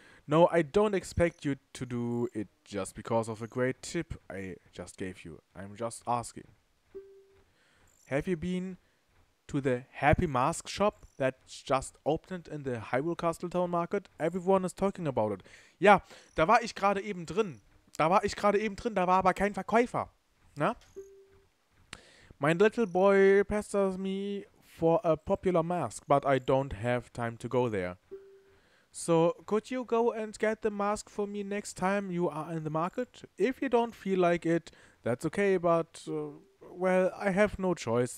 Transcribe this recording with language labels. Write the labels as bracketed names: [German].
[English] No, I don't expect you to do it just because of a great tip I just gave you. I'm just asking. Have you been to the Happy Mask Shop that just opened in the Hyrule Castle Town Market? Everyone is talking about it. [German] Ja, da war ich gerade eben drin. Da war ich gerade eben drin, da war aber kein Verkäufer. Na? [English] My little boy pesters me for a popular mask, but I don't have time to go there. So, could you go and get the mask for me next time you are in the market? If you don't feel like it, that's okay, but, well, I have no choice.